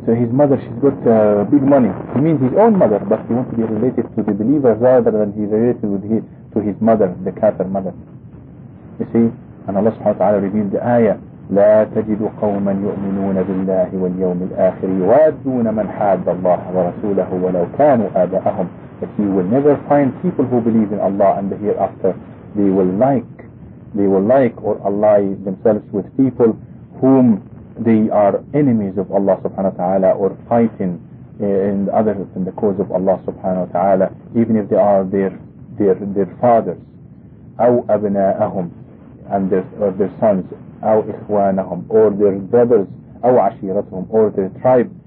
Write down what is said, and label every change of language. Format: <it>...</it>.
<en>Because his mother, she's got big money. He means his own mother, but he wants to be related to the believer rather than he's related with his, to his mother, the kafir mother. You see, and Allah subhanahu wa ta'ala revealed the ayah,</en> <ar>لا تجد قوما يؤمنون بالله واليوم الآخر يوادون من حاد الله ورسوله ولو كانوا آباءهم.</ar> <en>But you will never find people who believe in Allah and the hereafter, they will like or ally themselves with people whom they are enemies of Allah subhanahu wa ta'ala, or fighting in others in the cause of Allah subhanahu wa ta'ala, even if they are their fathers,</en> <ar>أو أبناءهم,</ar> <en>and their sons,</en> <ar>أو إخوانهم,</ar> <en>or their brothers,</en> <ar>أو عشيرتهم,</ar> <en>or their tribe.</en>